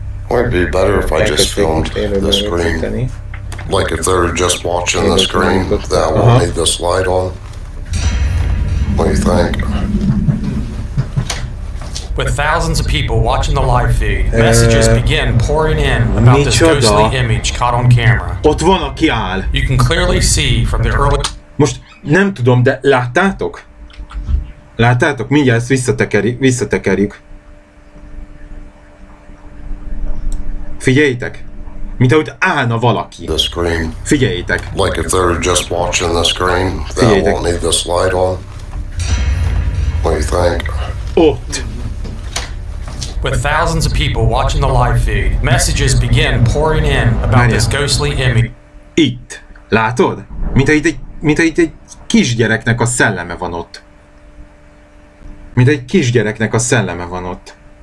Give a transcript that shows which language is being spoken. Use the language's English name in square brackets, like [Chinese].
[English] Might be better if I just filmed the screen. Like if they're just watching the screen, that will need this light on. What do you think? With thousands of people watching the live feed, messages begin pouring in about this ghostly image caught on camera. [Hungarian] Ott van, aki áll. [English] You can clearly see from the early... [Hungarian] Most nem tudom, de láttátok? Láttátok? Mindjárt ezt visszatekerjük. Figyeljétek! Mint ahogy állna valaki. [English] The screen. [Hungarian] Figyeljétek! [English] Like if they're just watching the screen, they won't need this light on. What do you think? [Hungarian] Ott! [English] With thousands of people watching the live feed, messages begin pouring in about this ghostly image. [Hungarian] Itt! Látod? Mint ahogy egy kisgyereknek a szelleme van ott. Mint egy kisgyereknek a szelleme van ott.